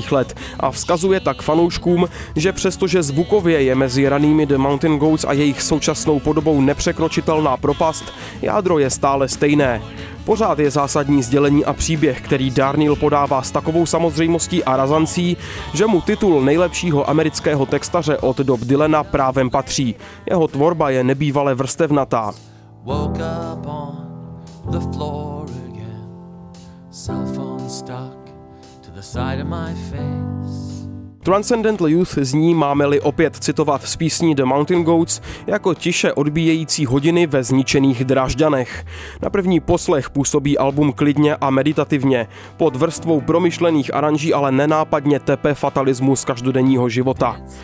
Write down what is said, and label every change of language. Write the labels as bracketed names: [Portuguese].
[Czech] let a vzkazuje tak fanouškům, že přestože zvukově je mezi ranými The Mountain Goats a jejich současnou podobou nepřekročitelná propast, jádro je stále stejné. Pořád je zásadní sdělení a příběh, který Darnielle podává s takovou samozřejmostí a razancí, že mu titul nejlepšího amerického textaře od dob Dylana právem patří. Jeho tvorba je nebývale vrstevnatá. [English] Woke up on the floor again, cell phone stuck to the side of my face. [Czech] Transcendental Youth zní, máme-li opět citovat z písní The Mountain Goats, jako tiše odbíjející hodiny ve zničených Drážďanech. Na první poslech působí album klidně a meditativně, pod vrstvou promyšlených aranží ale nenápadně tepe fatalismu z každodenního života.